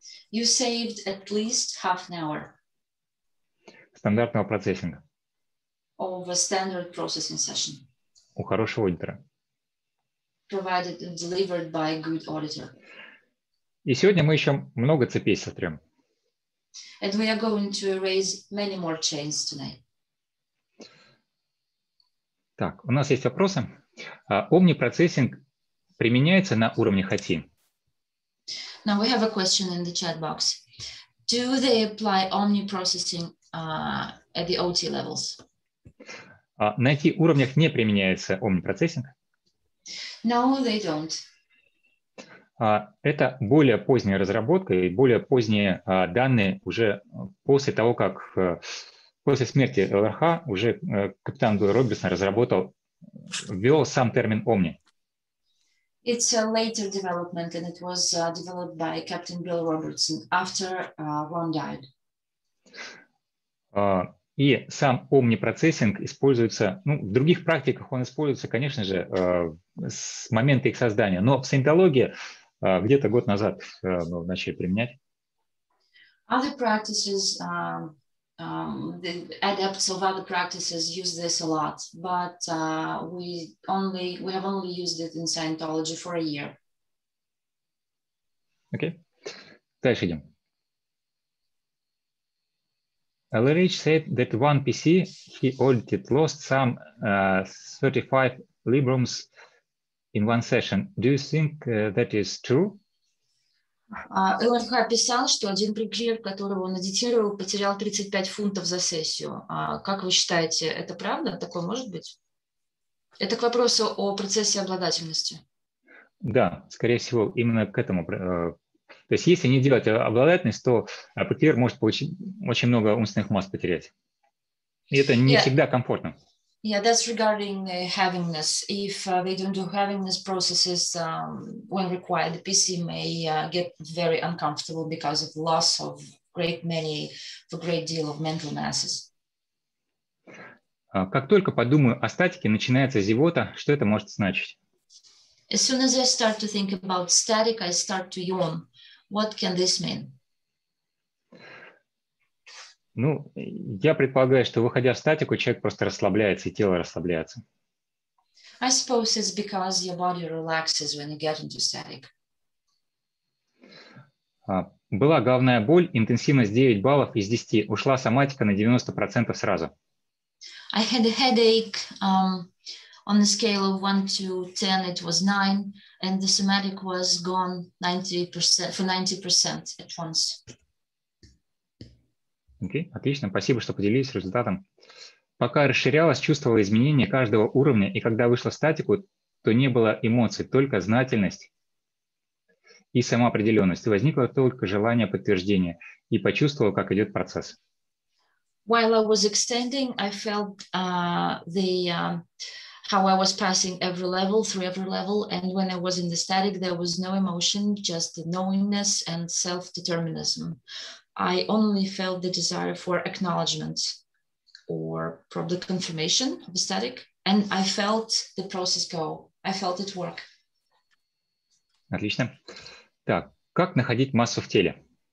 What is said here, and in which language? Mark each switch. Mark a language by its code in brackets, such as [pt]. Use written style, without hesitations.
[en] You saved at least half an hour. [ru] Стандартного процессинга. [en] Of a standard processing session. [ru] У хорошего аудитора. [en] Provided and delivered by a good auditor. [ru] И сегодня мы еще много цепей сотрем. [en] And we are going to erase many more chains tonight. [ru] Так, у нас есть вопросы. Omni-процессинг применяется на уровне HATI? [en] Now we have a question in the chat box. Do they apply Omni-processing at the OT levels? [ru] На IT уровнях не применяется Omni-процессинг? [en] No, they don't. [ru] Это более поздняя разработка и более поздние данные уже после того, как... После смерти ЛРХ уже капитан Гой Робертсон ввел сам термин Omni. [en] It's a later development, and it was developed by Captain Bill Robertson after Ron died. [ru] И сам Omni-процессинг используется, ну, в других практиках он используется, конечно же, с момента их создания, но в саентологии где-то год назад начали применять. [en] Other practices... the adepts of other practices use this a lot, but we have only used it in Scientology for a year. Okay. [ru] Дальше идем. [en] LRH said that one PC he audited lost some 35 librums in one session. Do you think that is true? [ru] ЛНХ писал, что один преклир, которого он эдитировал, потерял 35 фунтов за сессию. Как вы считаете, это правда? Такое может быть? Это к вопросу о процессе обладательности. Да, скорее всего, именно к этому. То есть если не делать обладательность, то ПКР может получить очень много умственных масс потерять. И это не всегда комфортно. [en] Yeah, that's regarding havingness. If they don't do havingness processes when required, the PC may get very uncomfortable because of loss of a great deal of mental masses. [ru] Как только подумаю о статике, начинается зевота. Что это может значить? [en] As soon as I start to think about static, I start to yawn. What can this mean? [ru] Ну, я предполагаю, что выходя в статику, человек просто расслабляется, и тело расслабляется. [en] I suppose it's because your body relaxes when you get into static. [ru] Была головная боль, интенсивность 9 баллов из 10. Ушла соматика на 90% сразу. [en] I had a headache on the scale of 1 to 10, it was 9, and the somatic was gone 90% at once. [ru] Окей, отлично, спасибо, что поделились результатом. Пока расширялась, чувствовала изменения каждого уровня, и когда вышла в статику, то не было эмоций, только знательность и самоопределенность. Возникло только желание подтверждения, и почувствовала, как идет процесс. [en] While I was extending, I felt how I was passing every level, through every level, and when I was in the static, there was no emotion, just the knowingness and self-determinism. I only felt the desire for acknowledgement or probably confirmation of the static, and I felt the process go. I felt it work. [ru] Отлично. Так, как находить массу в теле?